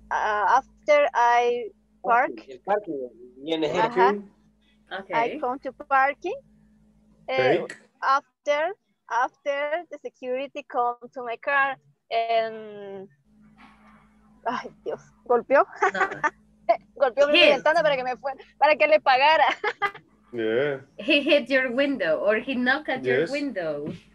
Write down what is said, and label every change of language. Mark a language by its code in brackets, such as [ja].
[en] After I park. [es] El parking. [en] Okay. I come to parking. And after the security come to my car and. [es] Ay, Dios, golpeó. No. Golpeó mi ventana para que me fuera, para que le pagara. [en] Yeah. He hit your window or he knocked at your window.